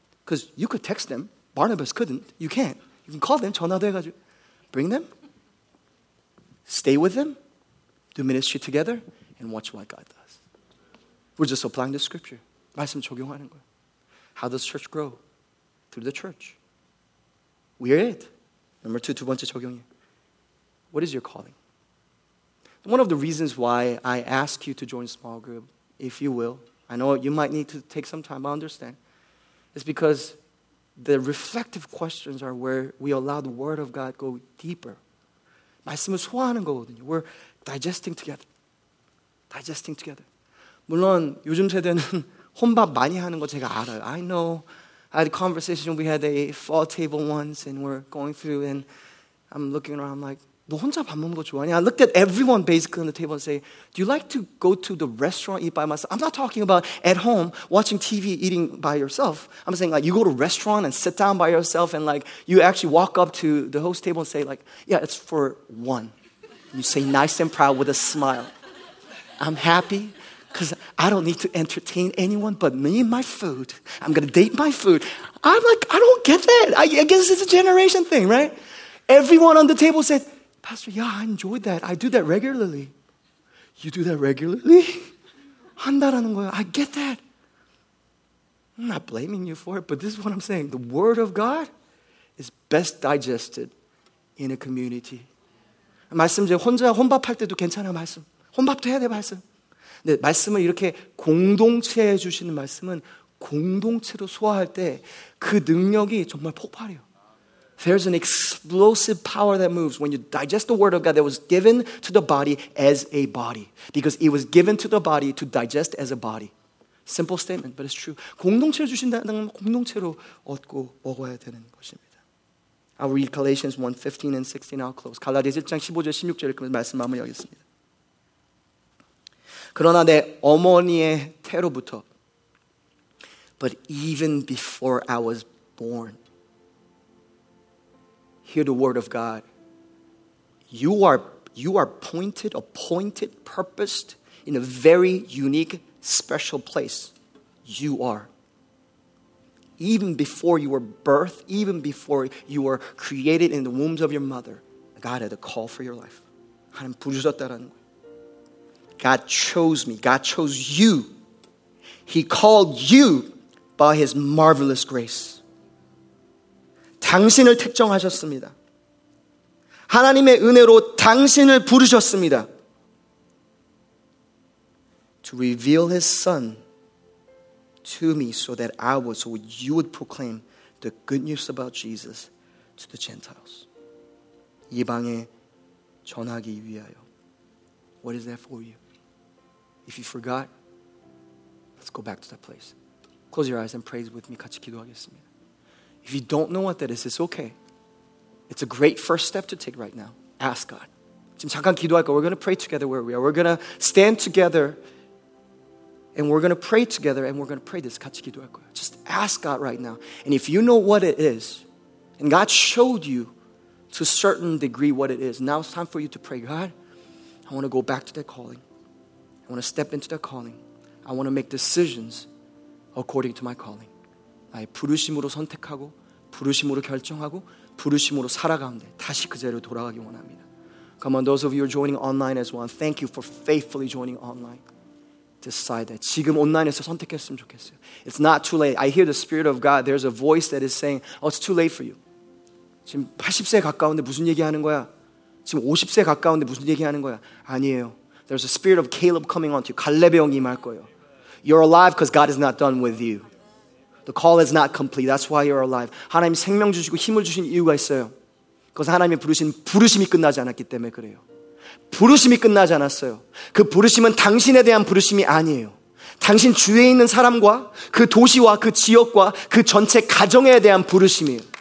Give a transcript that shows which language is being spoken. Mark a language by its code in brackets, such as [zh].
[en] Because you could text them. Barnabas couldn't. You can't. You can call them. [ko] 전화도 해가지고. [en] Bring them. Stay with them. Do ministry together. And watch what God does. We're just applying the scripture. [ko] 말씀 적용하는 거예요. [en] How does church grow? Through the church. We are it. Number two, [ko] 두 번째 적용이. [en] What is your calling? One of the reasons why I ask you to join a small group, if you will, I know you might need to take some time, I understand, is because the reflective questions are where we allow the word of God go deeper. [ko] 말씀을 소화하는 거거든요. [en] We're digesting together. Digesting together. [ko] 물론 요즘 세대는 혼밥 많이 하는 거 제가 알아요. [en] I know. I had a conversation. We had a fall table once and we're going through and I'm looking around like, [ko] 너 혼자 밥 먹는 거 좋아하냐? [en] I looked at everyone basically on the table and say, do you like to go to the restaurant, eat by myself? I'm not talking about at home, watching TV, eating by yourself. I'm saying like, you go to a restaurant and sit down by yourself and like, you actually walk up to the host table and say like, yeah, it's for one. You say nice and proud with a smile. I'm happy. Because I don't need to entertain anyone but me and my food. I'm going to date my food. I'm like, I don't get that. I guess it's a generation thing, right? Everyone on the table said, Pastor, yeah, I enjoyed that. I do that regularly. You do that regularly? [ko] 한다라는 거야. [en] I get that. I'm not blaming you for it, but this is what I'm saying. The word of God is best digested in a community. [ko] 말씀 이제 혼자 혼밥할 때도 괜찮아, 말씀. 혼밥도 해야 돼, 말씀. 네, 말씀을 이렇게 공동체에 주시는 말씀은 공동체로 소화할 때 그 능력이 정말 폭발해요. [en] There's an explosive power that moves when you digest the word of God that was given to the body as a body. Because it was given to the body to digest as a body. Simple statement, but it's true. [ko] 공동체로 주신다는 건 공동체로 얻고 먹어야 되는 것입니다. [en] I'll read Galatians 1:15 and 16. I'll close. [ko] 갈라디아서 1장 15절 16절을 끝으로 말씀 마무리하겠습니다. 그러나 내 어머니의 태로부터 [en] But even before I was born Hear the word of God You are pointed, appointed, purposed In a very unique, special place You are Even before you were birthed Even before you were created in the wombs of your mother God had a call for your life [ko] 하나님 부르셨다라는 거예요 [en] God chose me. God chose you. He called you by his marvelous grace. [ko] 당신을 택정하셨습니다. 하나님의 은혜로 당신을 부르셨습니다. [en] To reveal his son to me so you would proclaim the good news about Jesus to the Gentiles. [ko] 이방에 전하기 위하여. [en] What is that for you? If you forgot, let's go back to that place. Close your eyes and pray with me. [ko] 같이 기도하겠습니다. [en] If you don't know what that is, it's okay. It's a great first step to take right now. Ask God. [ko] 지금 잠깐 기도할까? [en] We're going to pray together where we are. We're going to stand together and we're going to pray together and we're going to pray this. [ko] 같이 기도할까? [en] Just ask God right now. And if you know what it is, and God showed you to a certain degree what it is, now it's time for you to pray. God, I want to go back to that calling. I want to step into that calling. I want to make decisions according to my calling. [ko] 나의 부르심으로 선택하고 부르심으로 결정하고 부르심으로 살아가운데 다시 그 자리로 돌아가기 원합니다. [en] Come on, those of you who are joining online as well, thank you for faithfully joining online. Decide that. [ko] 지금 온라인에서 선택했으면 좋겠어요. [en] It's not too late. I hear the Spirit of God. There's a voice that is saying, oh, it's too late for you. [ko] 지금 80세 가까운데 무슨 얘기하는 거야? 지금 50세 가까운데 무슨 얘기하는 거야? 아니에요. [en] There's a spirit of Caleb coming on to you. [ko] 갈렙의 영이 임할 거예요. [en] You're alive because God is not done with you. The call is not complete. That's why you're alive. [ko] 하나님 생명 주시고 힘을 주신 이유가 있어요. 그것은 하나님이 부르신 부르심이 끝나지 않았기 때문에 그래요. 부르심이 끝나지 않았어요. 그 부르심은 당신에 대한 부르심이 아니에요. 당신 주위에 있는 사람과 그 도시와 그 지역과 그 전체 가정에 대한 부르심이에요.